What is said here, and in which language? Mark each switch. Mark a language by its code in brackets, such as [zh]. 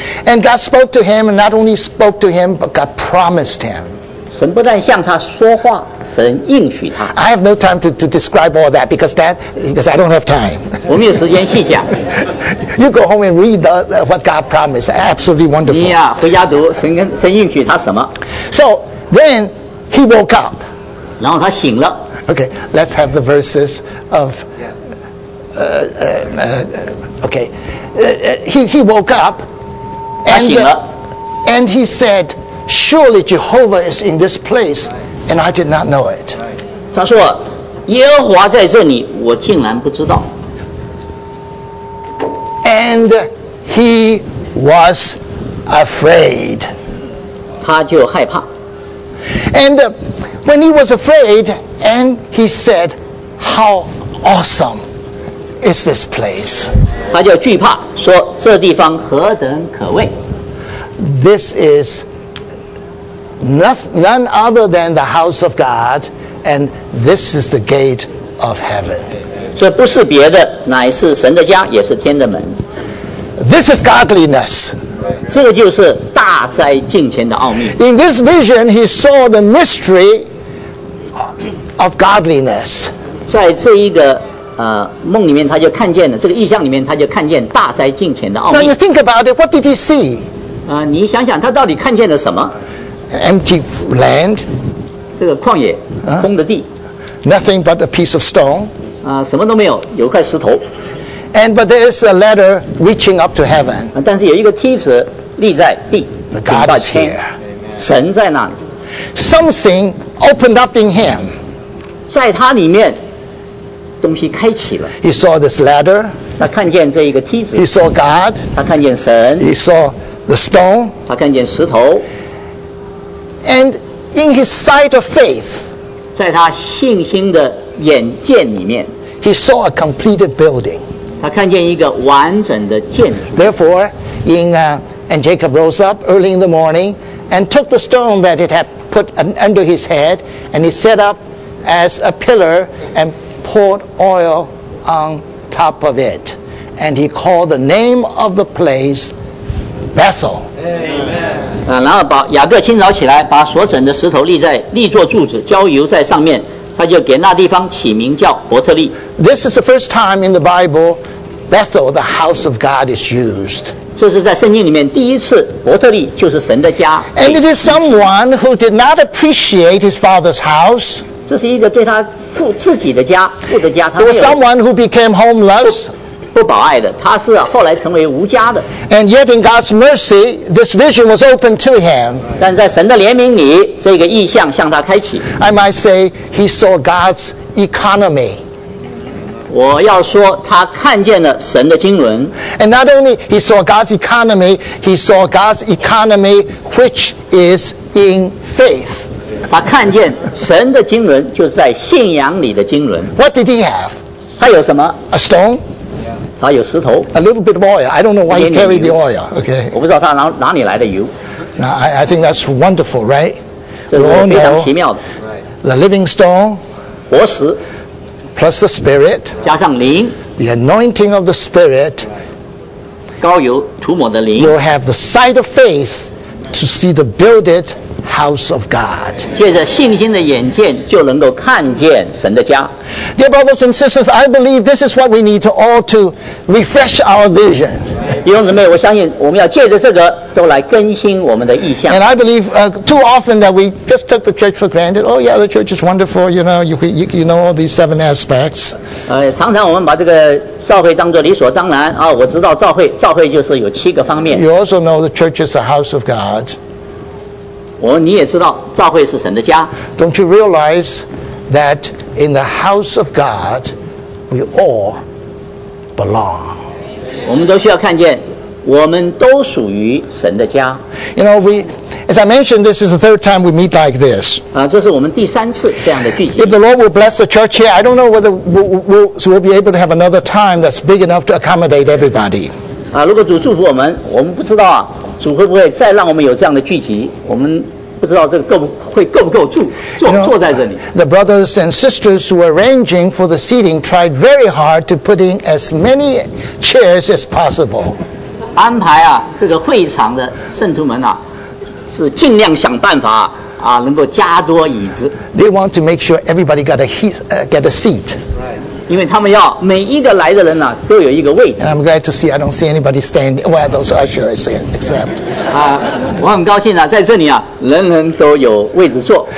[en] And God spoke to him, and not only spoke to him, but God promised him. [zh] 神不但向他说话，神应许他。 [en] I have no time to describe all that because I don't have time. [zh] 我没有时间细讲。 [en] You go home and read what God promised. Absolutely wonderful. [zh] 你呀，回家读神应许他什么。 [en] So then he woke up. [zh] 然后他醒了。 [en] Okay, let's have the verses of okay. He woke up. [zh] 他醒了。 [en] And he said, surely Jehovah is in this place, and I did not know it. [zh] 他说耶和华在这里，我竟然不知道。 [en] And he was afraid. [zh] 他就害怕。 [en] And when he was afraid, and he said, how awesome is this place? [zh] 他就惧怕，说这地方何等可畏。 [en] This is none other than the house of God, and this is the gate of heaven. [zh] 这不是别的，乃是神的家，也是天的门。 [en] This is godliness. [zh] 这个就是大灾近前的奥秘。 [en] In this vision, he saw the mystery of godliness. [zh] 在这一个梦里面，他就看见了这个意象里面，他就看见大灾近前的奥秘。 [en] Now you think about it. What did he see? [zh] 你想想，他到底看见了什么 [en] ？Empty land. [zh] 这个旷野，空的地。 [en] Nothing but a piece of stone. [zh] 什么都没有，有块石头。 [en] But there is a ladder reaching up to heaven. [zh] 但是有一个梯子立在地。 [en] The God is here. [zh] 神在那里。 [en] Something opened up in him. [zh] 在他里面。东西开启了。 [en] He saw this ladder. [zh] 他看见这一个梯子。 [en] He saw God. [zh] 他看见神。 [en] He saw the stone. [zh] 他看见石头。 [en] And in his sight of faith, [zh] 在他信心的眼见里面， [en] he saw a completed building. [zh] 他看见一个完整的建筑。 [en] Therefore, and Jacob rose up early in the morning and took the stone that it had put under his head, and he set up as a pillar and poured oil on top of it, and he called the name of the place Bethel. Amen. [zh] 然后把雅各清早起来，把所整的石头立作柱子，浇油在上面，他就给那地方起名叫伯特利。 [en] This is the first time in the Bible Bethel, the house of God, is used. [zh] 这是在圣经里面第一次，伯特利就是神的家。 [en] And it is someone who did not appreciate his father's house. [zh] 这是一个对他自己的家，父的家，他没有。 [en] There was someone who became homeless, [zh] 不保爱的，他是后来成为无家的。 [en] And yet in God's mercy, this vision was open to him. [zh] 但在神的怜悯里，这个意象向他开启。 [en] I might say he saw God's economy. [zh] 我要说他看见了神的经纶。 [en] And not only he saw God's economy, he saw God's economy which is in faith. [zh] 他看见神的经纶，就是在信仰里的经纶。 [en] What did he have? [zh] 他有什么 [en] ？A stone. [zh] 他有石头。 [en] A little bit of oil. I don't know why he carried the oil. Okay. [zh] 我不知道他哪里来的油。 [en] Now I think that's wonderful, right? [zh] 这是非常奇妙的。 [en] The living stone. [zh] 活石。 [en] Plus the spirit. [zh] 加上灵。 [en] The anointing of the spirit. [zh] 膏油涂抹的灵。 [en] You'll have the sight of faith to see the build it. House of God. [zh] 借着信心的眼见，就能够看见神的家。 [en] Dear brothers and sisters, I believe this is what we need to all to refresh our vision. [zh] 弟兄姊妹，我相信我们要借着这个都来更新我们的意象。 [en] And I believe too often that we just took the church for granted. Oh yeah, the church is wonderful. You know, you know all these seven aspects. [zh] 常常我们把这个教会当作理所当然啊。我知道教会就是有七个方面。 [en] You also know the church is the house of God. [zh] 你也知道教会是神的家。 [en] Don't you realize that in the house of God, we all belong? [zh] 我们都需要看见，我们都属于神的家。 [en] You know, we, as I mentioned, this is the third time we meet like this. [zh] 这是我们第三次这样的聚集。 [en] If the Lord will bless the church here, I don't know whether we'll be able to have another time that's big enough to accommodate everybody. [zh] 如果主祝福我们，我们不知道啊。主会不会再让我们有这样的聚集？我们不知道这个够不够坐在这里。 [en] The brothers and sisters who were arranging for the seating tried very hard to put in as many chairs as possible. [zh] 安排啊，这个会场的圣徒们啊，是尽量想办法啊，能够加多椅子。 [en] They want to make sure everybody got a seat. Right. [zh] 因为他们要每一个来的人呢、啊，都有一个位置。 [en] I'm glad to see I don't see anybody standing where those ushers except. [zh] 我很高兴啊，在这里啊，人人都有位置坐，